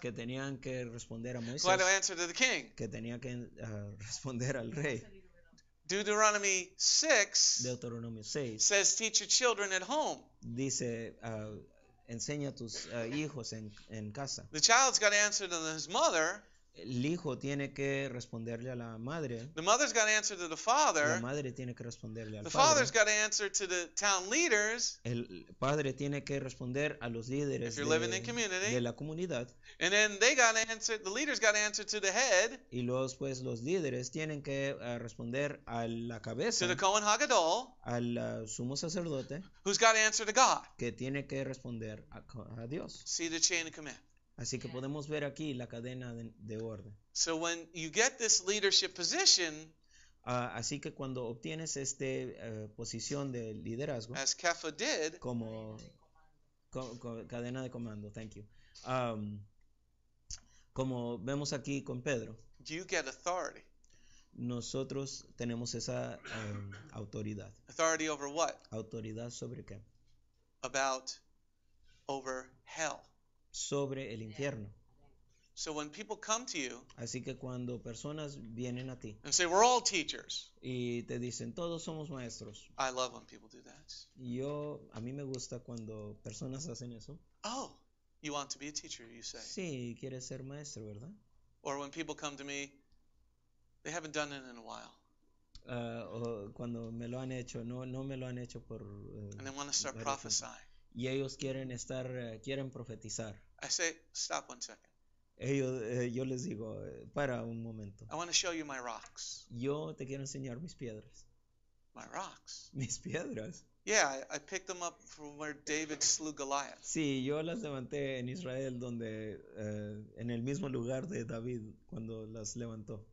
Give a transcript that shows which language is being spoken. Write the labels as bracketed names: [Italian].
[Spanish] Que tenían que responder a Moisés. [English] Who had to answer to the king. [Spanish] Que tenía que responder al rey. [English] Deuteronomy 6. [Spanish] Deuteronomio 6. [English] Says teach your children at home. [Spanish] Dice enseña a tus hijos en casa. [English] The child's got to answer to his mother. [Spanish] El hijo tiene que responderle a la madre. [English] The mother's got to answer to the father. [Spanish] La madre tiene que responderle al [English] the [Spanish] padre. [English] The father's got to answer to the town leaders. [Spanish] El padre tiene que responder a los líderes de la comunidad. [English] And then they got to answer, the leaders got to answer to the head. [Spanish] Y luego, pues, los líderes tienen que responder a la cabeza. [English] To the Kohen Hagadol. [Spanish] Al sumo sacerdote. [English] Who's got to answer to God. [Spanish] Que tiene que responder a Dios. [English] See the chain of command. [Spanish] Así que podemos ver aquí la cadena de orden. [English] So when you get this leadership position, [Spanish] así que cuando obtienes este posición de liderazgo, [English] as Kepha did, [Spanish] como cadena de comando, [English] thank you. [Spanish] Como vemos aquí con Pedro, [English] you get authority. [Spanish] Nosotros tenemos esa autoridad. [English] Authority over what? [Spanish] Autoridad sobre qué? [English] About over hell. [Spanish] Sobre el infierno. [English] So when people come to you, [Spanish] así que cuando personas vienen a ti, [English] and say we're all teachers, [Spanish] y te dicen todos somos maestros, [English] I love when people do that. [Spanish] Yo a mí me gusta cuando personas hacen eso. [English] Oh, you want to be a teacher? You say. [Spanish] Sí, quieres ser maestro, ¿verdad? [English] Or when people come to me, they haven't done it in a while. [Spanish] O cuando me lo han hecho, no me lo han hecho por. [English] And they want to start prophesying. [Spanish] Y ellos quieren estar, quieren profetizar. [English] I say, stop one second. [Spanish] Yo les digo, para un momento. [English] I want to show you my rocks. [Spanish] Yo te quiero enseñar mis piedras. [English] My rocks. [Spanish] Mis piedras. [English] Yeah, I picked them up from where David slew Goliath. [Spanish] Sí, yo las levanté en Israel, donde en el mismo lugar de David cuando las levantó.